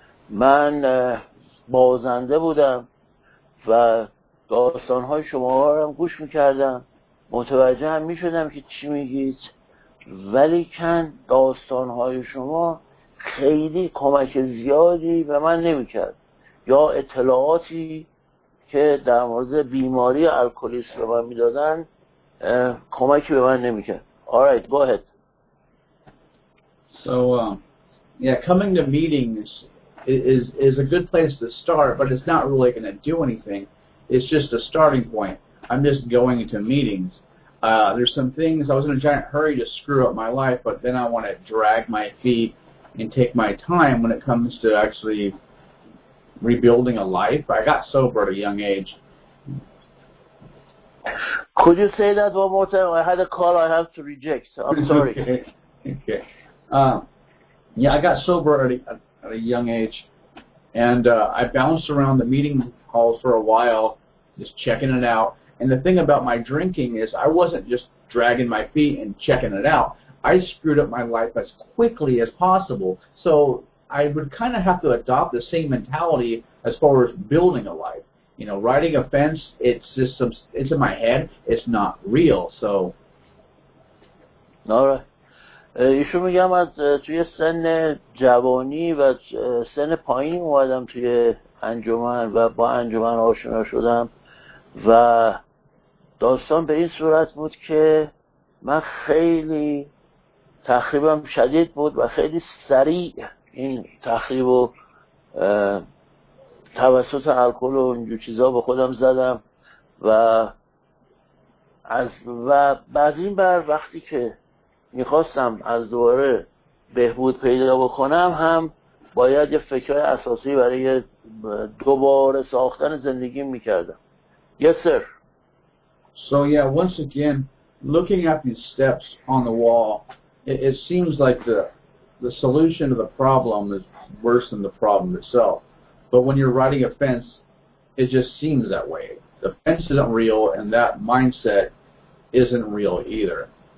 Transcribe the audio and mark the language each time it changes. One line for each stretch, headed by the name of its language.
Persian: من بازنده بودم و داستان‌های شما رو هم گوش می‌کردم، متوجه هم می‌شدم که چی میگید، ولی کن داستان‌های شما خیلی کمک زیادی به من نمی‌کرد یا اطلاعاتی که در مورد بیماری الکلیسم به من می‌دادن کمکی به من نمی‌کرد.
English: Alright, go ahead. So, coming to meetings is a good place to start, but it's not really going to do anything. It's just a starting point. I'm just going to meetings. There's some things, I was in a giant hurry to screw up my life, but then I want to drag my feet and take my time when it comes to actually rebuilding a life. I got sober at a young age. Could you say that one more time? I had a call I have to reject, so I'm sorry. Okay. Yeah, I got sober at a young age, and I bounced around the meeting halls for a while, just checking it out. And the thing about my drinking is I wasn't just dragging my feet and checking it out. I screwed up my life as quickly as possible. So I would kind of have to adopt the same mentality as far as building a life. You know, riding a fence, it's just some, it's in my head. It's not real, so. All right.
Persian: ایشون میگم از توی سن جوانی و سن پایین اومدم توی انجمن و با انجمن آشنا شدم و داستان به این صورت بود که من خیلی تخریبم شدید بود و خیلی سریع این تخریب و توسط الکل و اینجور چیزا به خودم زدم و از و بعد این بر وقتی که میخواستم از دوباره بهبود پیدا بکنم هم باید یه فکر اساسی برای دوباره ساختن زندگی میکردم.
English: Yes, sir. So yeah, once again, looking at these steps on the wall, it seems like the solution to the problem is worse than the problem itself. But when you're riding a fence, it just seems that way. The fence isn't real, and that mindset isn't real either.